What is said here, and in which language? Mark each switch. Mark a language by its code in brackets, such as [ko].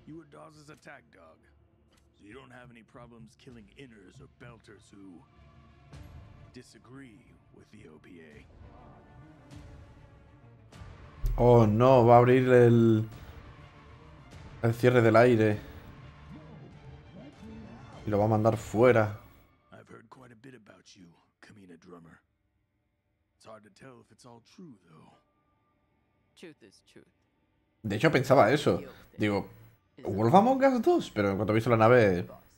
[en] Dawes's attack dog, so you don't have any problems killing inners or belters who disagree with the OPA. [es] Oh no, va a abrir el cierre del aire y lo va a mandar fuera. [en] I've heard quite a bit about you, Kamina Drummer. It's hard to tell if it's all true, though. Truth is truth. [es] De hecho pensaba eso, digo. Wolf Among Us 2, pero en cuanto he visto la nave.